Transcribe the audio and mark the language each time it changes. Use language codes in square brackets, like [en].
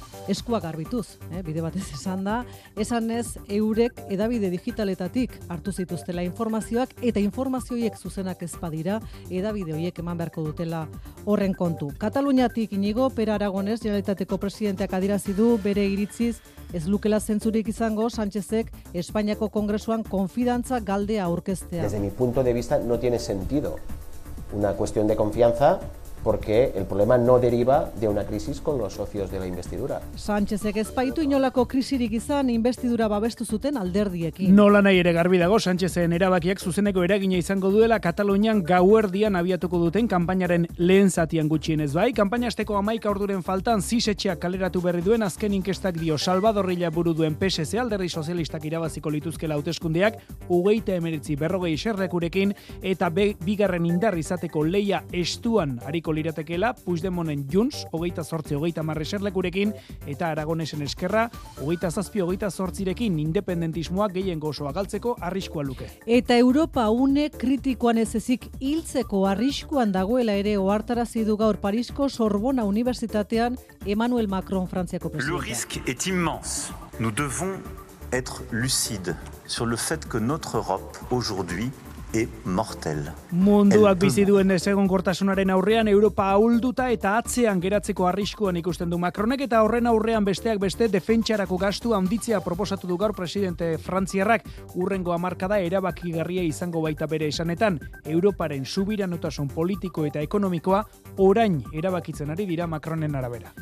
[eu] eskuak garbituz, bide batez esan da, esan ez eurek edabide digitaletatik hartu zituztela informazioak eta informazioiek zuzenak ezpadira edabide horiek eman beharko dutela horren kontu. Kataluniatik Inigo Pere Aragonès Generalitateko presidenteak adierazi du bere iritziz ez lukela zentzurik izango Sánchezek Espainiako Kongresuan konfidantza galdea aurkeztea. [es] Desde mi punto de vista no tiene sentido una cuestión de confianza porque el problema no deriva de una crisis con los socios de la investidura. [eu] Sánchezek ezpaitu inolako krisirik izan investidura babestu zuten alderdiekin. Nola nahi ere garbi dago Sánchezen erabakiak zuzeneko eragina izango duela Katalunian gauerdian abiatuko duten kanpainaren lehen zatian gutxienez bai. Kanpainasteko 11 orduren faltan zisetxeak kaleratu berri duen azken inkestak dio Salvadorrilla buru duen PSC alderdi sozialistak irabaziko lituzkela hauteskundeak 2019 40 xerrekurekin eta bigarren indar izateko leia estuan ariko liratekeela Puigdemonen Junts 28-30 eserlekurekin eta Aragonesen Eskerra 27-28rekin independentismoak gehiengo osoa galtzeko arriskua luke. Eta Europa une kritikoan ez ezik hiltzeko arriskuan dagoela ere ohartarazi du gaur Parisko Sorbona Unibertsitatean Emmanuel Macron Frantziako presidente. [fr] Le risque est immense. Nous devons être lucides sur le fait que notre Europe aujourd'hui e mortel. [eu] Munduak bizi duen desegonkortasunaren aurrean Europa ahulduta eta atzean geratzeko arriskuan ikusten du Macronek eta horren aurrean besteak beste defentsarako gastu handitzea proposatu du gaur presidente frantziarrak. Urrengo hamarkada erabakigarria izango baita bere esanetan. Europaren subiranotasun politiko eta ekonomikoa orain erabakitzen ari dira Macronen arabera.